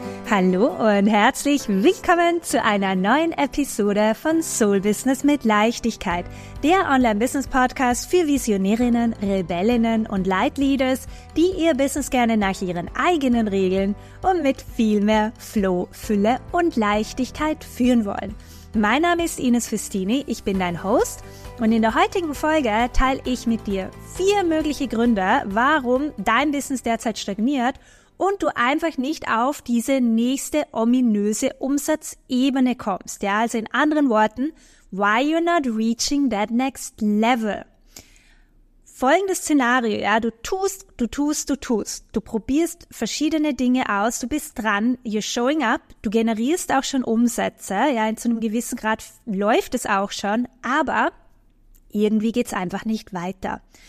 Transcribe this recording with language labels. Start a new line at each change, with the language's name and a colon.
German: Hallo und herzlich willkommen zu einer neuen Episode von Soul Business mit Leichtigkeit, der Online-Business-Podcast für Visionärinnen, Rebellinnen und Lightleaders, die ihr Business gerne nach ihren eigenen Regeln und mit viel mehr Flow, Fülle und Leichtigkeit führen wollen. Mein Name ist Ines Festini, ich bin dein Host und in der heutigen Folge teile ich mit dir 4 mögliche Gründe, warum dein Business derzeit stagniert und du einfach nicht auf diese nächste ominöse Umsatzebene kommst. Ja, also in anderen Worten,
English: why you're not reaching that next level?
German: Folgendes Szenario, ja, du tust. Du probierst verschiedene Dinge aus, du bist dran,
English: you're showing up,
German: du generierst auch schon Umsätze, ja, in zu einem gewissen Grad läuft es auch schon, aber irgendwie geht's einfach nicht weiter.